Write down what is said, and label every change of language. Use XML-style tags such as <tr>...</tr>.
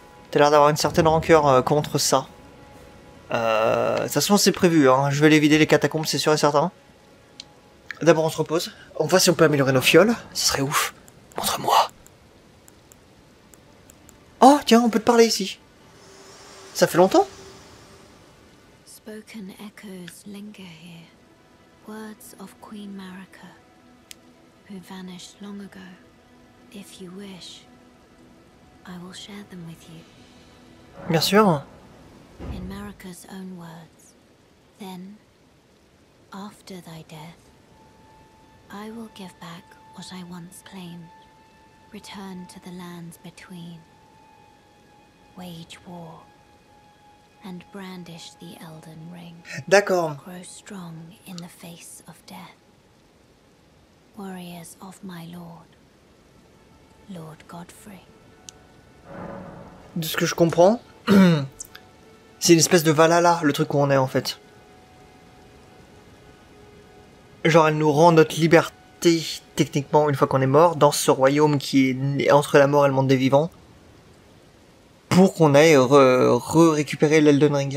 <fr>T'as l'air d'avoir une certaine rancœur contre ça. Ça se pense c'est prévu, hein. Je vais aller vider les catacombes, c'est sûr et certain. D'abord, on se repose. On voit si on peut améliorer nos fioles. Ce serait ouf. Montre-moi. Oh, tiens, on peut te parler ici. Ça fait longtemps.</fr> <en>Spoken echoes linger here. Words of Queen Marika, who vanished long ago. If you wish, I will share them with you.</en> <fr>Bien sûr.</fr> <en>In Marika's own words. Then, after thy death, I will give back what I once claimed. Return to the lands between, wage war, and brandish the Elden Ring.</en> <fr>D'accord.</fr> <en>Grow strong in the face of death, warriors of my lord, Lord Godfrey.</en> <fr>De ce que je comprends, c'est une espèce de Valhalla, le truc où on est en fait. Genre, elle nous rend notre liberté. Techniquement, une fois qu'on est mort, dans ce royaume qui est entre la mort et le monde des vivants, pour qu'on aille récupérer l'Elden Ring.</fr>